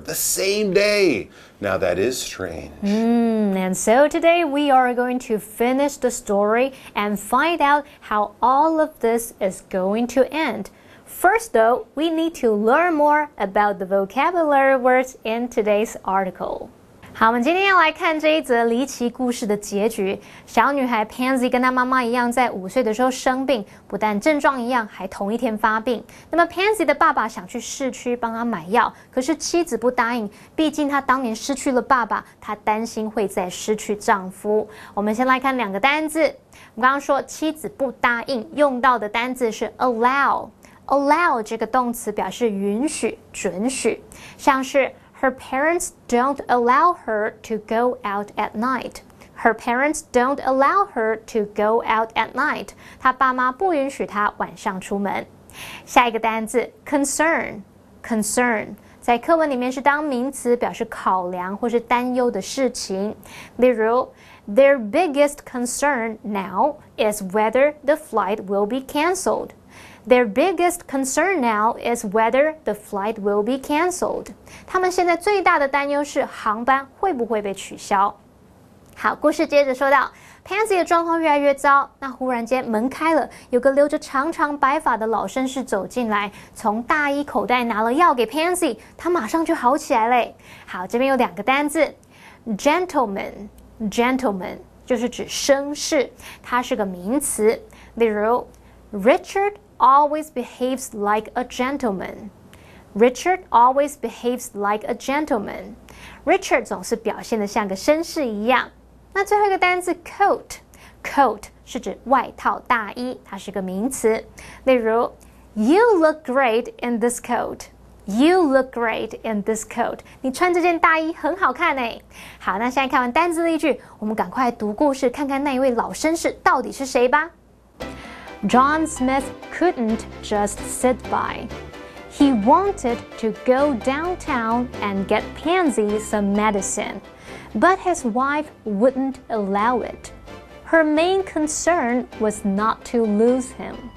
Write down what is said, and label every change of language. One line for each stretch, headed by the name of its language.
English: The same day. Now that is strange. And so today we are going to finish the story and find out how all of this is going to end. First, though, we need to learn more about the vocabulary words in today's article.
Chinese: 好，我们今天要来看这一则离奇故事的结局。小女孩 Pansy 跟她妈妈一样，在五岁的时候生病，不但症状一样，还同一天发病。那么 Pansy 的爸爸想去市区帮她买药，可是妻子不答应，毕竟她当年失去了爸爸，她担心会再失去丈夫。我们先来看两个单字，我们刚刚说妻子不答应，用到的单字是 allow。 allow 这个动词表示允许、准许，像是。
English: Her parents don't allow her to go out at night. Her parents don't allow her to go out at night.
Chinese: 她爸妈不允许她晚上出门。下一个单字 concern. Concern 在课文里面是当名词，表示考量或是担忧的事情。例如
English: ，Their biggest concern now is whether the flight will be cancelled. Their biggest concern now is whether the flight will be canceled.
Chinese: 他们现在最大的担忧是航班会不会被取消。好，故事接着说到 ，Pansy 的状况越来越糟。那忽然间门开了，有个留着长长白发的老绅士走进来，从大衣口袋拿了药给 Pansy， 他马上就好起来嘞。好，这边有两个单字 ，gentleman 就是指绅士，它是个名词。例如
English: ，Richard。Always behaves like a gentleman. Richard always behaves like a gentleman. Richard
Chinese: 总是表现得像个绅士一样。那最后一个单字 coat. Coat 是指外套大衣，它是个名词。例如
English: ，You look great in this coat. You look great in this coat.
Chinese: 你穿这件大衣很好看哎。好，那现在看完单字例句，我们赶快读故事，看看那一位老绅士到底是谁吧。
English: John Smith couldn't just sit by. He wanted to go downtown and get Pansy some medicine, but his wife wouldn't allow it. Her main concern was not to lose him.